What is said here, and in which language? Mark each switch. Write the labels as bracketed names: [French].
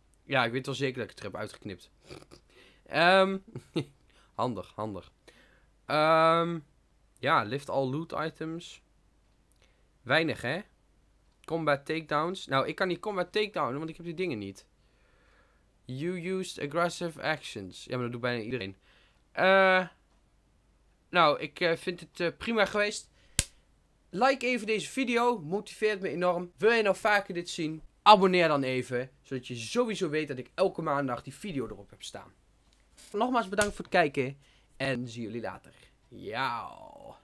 [Dutch] Ja, ik weet wel zeker dat ik het er heb uitgeknipt. Handig. Ja, lift all loot items. Weinig, hè? Combat takedowns. Nou, ik kan niet combat takedownen, want ik heb die dingen niet. [English] You used aggressive actions. [Dutch] Ja, maar dat doet bijna iedereen. Ik vind het prima geweest. Like even deze video. Motiveert me enorm. Wil je nou vaker dit zien? Abonneer dan even. Zodat je sowieso weet dat ik elke maandag die video erop heb staan. Nogmaals bedankt voor het kijken. En zie jullie later. Ciao.